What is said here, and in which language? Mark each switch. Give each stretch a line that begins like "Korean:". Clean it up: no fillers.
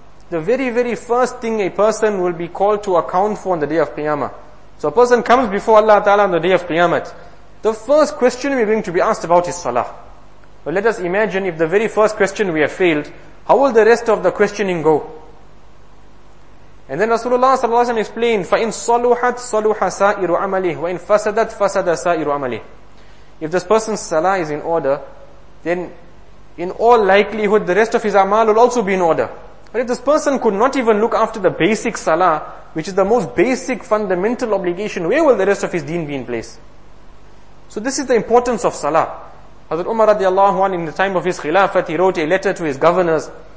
English: The very, very first thing a person will be called to account for on the day of Qiyamah. So a person comes before Allah Ta'ala on the day of Qiyamah. The first question we're going to be asked about is Salah. But let us imagine if the very first question we have failed, how will the rest of the questioning go? And then Rasulullah Sallallahu Alaihi Wasallam explained,
Arabic: فَإِنْ صَلُحَتْ صَلُحَ سَائِرُ عَمَلِهِ وَإِنْ فَسَدَتْ فَسَدَ سَائِرُ عَمَلِهِ.
English: If this person's Salah is in order, then in all likelihood the rest of his Amal will also be in order. But if this person could not even look after the basic salah, which is the most basic fundamental obligation, where will the rest of his deen be in place? So this is the importance of salah. Hazrat Umar radiallahu anhu, in the time of his khilafat, he wrote a letter to his governors